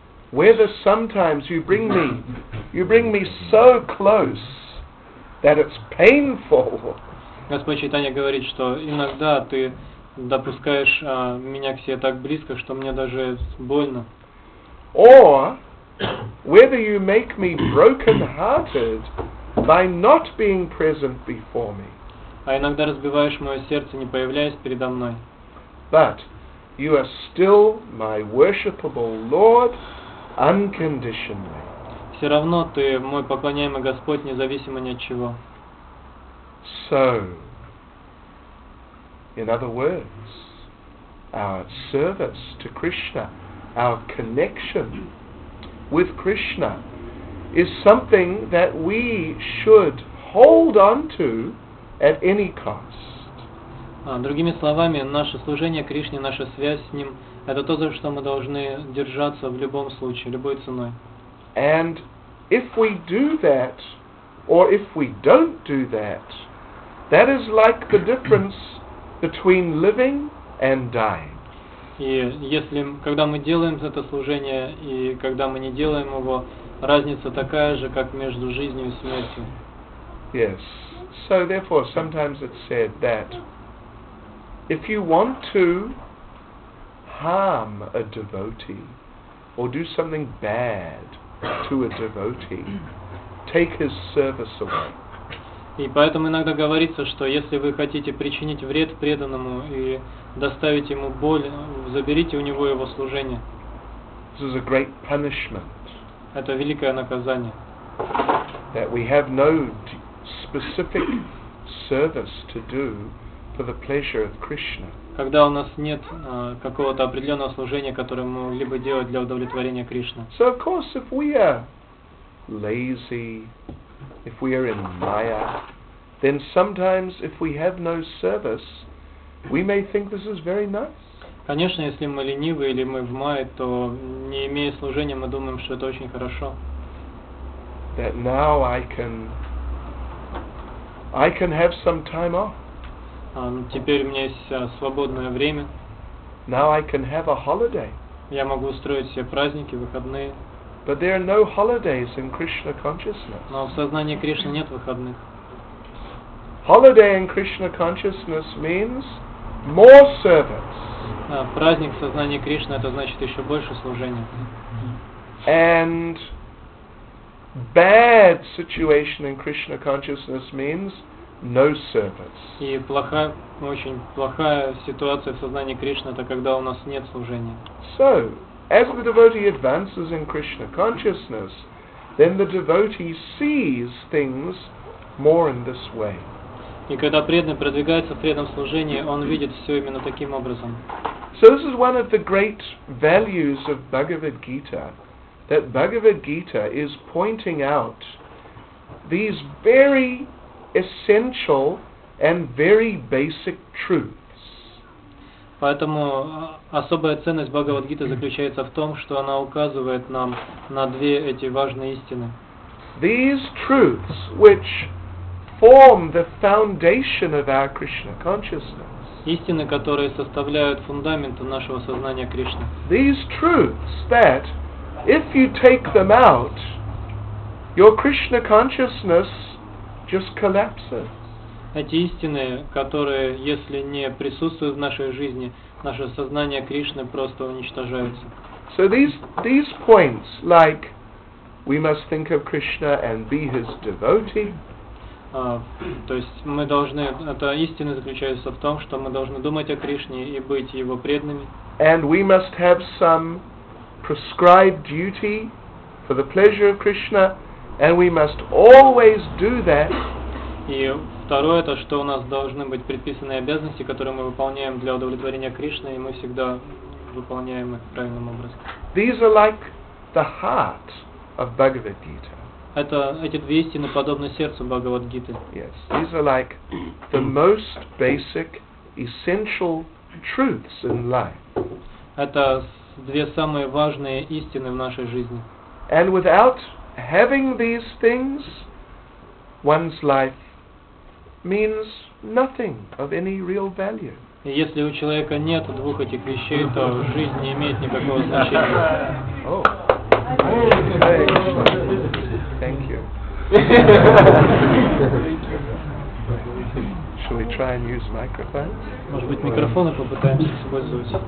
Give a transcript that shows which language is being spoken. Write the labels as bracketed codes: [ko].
[en] Whether sometimes you bring me so close that it's painful. [ru] Господь Чайтанья говорит, что иногда ты допускаешь меня к себе так близко, что мне даже больно. [en] Or whether you make me broken-hearted by not being present before me. [ru] А иногда разбиваешь мое сердце, не появляясь передо мной. [en] But you are still my worshipable Lord unconditionally. [ru] Все равно ты мой поклоняемый Господь, независимо ни от чего. [en] So, in other words, our service to Krishna, our connection with Krishna, is something that we should hold on to at any cost. [ru] Другими словами, наше служение Кришне, наша связь с Ним, это то, за что мы должны держаться в любом случае, любой ценой. [en] And if we do that, or if we don't do that, that is like the difference between living and dying. [ru] И если, когда мы делаем это служение, и когда мы не делаем его, разница такая же, как между жизнью и смертью. [en] Yes. So therefore, sometimes it's said that if you want to harm a devotee or do something bad to a devotee, take his service away. [ru] И поэтому иногда говорится, что если вы хотите причинить вред преданному и доставить ему боль, заберите у него его служение. [en] This is a great punishment. [ru] Это великое наказание. [en] That we have no specific service to do for the pleasure of Krishna. [ru] Когда у нас нет какого-то определенного служения, которое мы могли бы делать для удовлетворения Кришны. [en] So of course, if we are lazy, if we are in maya, then sometimes if we have no service, we may think this is very nice. [ru] Конечно, если мы ленивы или мы в мае, то не имея служения, мы думаем, что это очень хорошо. [en] That now I can have some time off. [ru] Теперь у меня есть свободное время. [en] Now I can have a holiday. [ru] Я могу устроить себе праздники, выходные. [en] But there are no holidays in Krishna consciousness. [ru] Но в сознании Кришны нет выходных. [en] Holiday in Krishna consciousness means more service. [ru] Праздник в сознании Кришны — это значит еще больше служения. [en] And bad situation in Krishna consciousness means no service. [ru] И плохая, очень плохая ситуация в сознании Кришны — это когда у нас нет служения. [en] So, as the devotee advances in Krishna consciousness, then the devotee sees things more in this way. [ru] И когда преданный продвигается в преданном служении, он видит все именно таким образом. [en] So this is one of the great values of Bhagavad Gita, that Bhagavad Gita is pointing out these very essential and very basic truths. [ru] Поэтому особая ценность Бхагавад Гиты заключается в том, что она указывает нам на две эти важные истины. [en] These truths, which form the foundation of our Krishna consciousness. [ru] Истины, которые составляют фундамент нашего сознания Кришны. [en] These truths that, if you take them out, your Krishna consciousness just collapses. [ru] Эти истины, которые, если не присутствуют в нашей жизни, наше сознание Кришны просто уничтожается. [en] So these points, like we must think of Krishna and be his devotee. [ru] То есть мы должны, это истина заключается в том, что мы должны думать о Кришне и быть его преданными. [en] And we must have some prescribed duty for the pleasure of Krishna, and we must always do that. [ru] И второе, это что у нас должны быть предписанные обязанности, которые мы выполняем для удовлетворения Кришны, и мы всегда выполняем их правильным образом. [en] These are like the heart of Bhagavad Gita. [ru] Эти две истины подобны сердцу Бхагавад Гиты. [en] Yes, these are like the most basic, essential truths in life. [ru] Это две самые важные истины в нашей жизни. [en] And without having these things, one's life means nothing of any real value. [ru] И если у человека нет двух этих вещей, то жизнь не имеет никакого значения. [en] Thank you. Shall we try and use microphones? [ru] Может быть, микрофоны попытаемся использовать.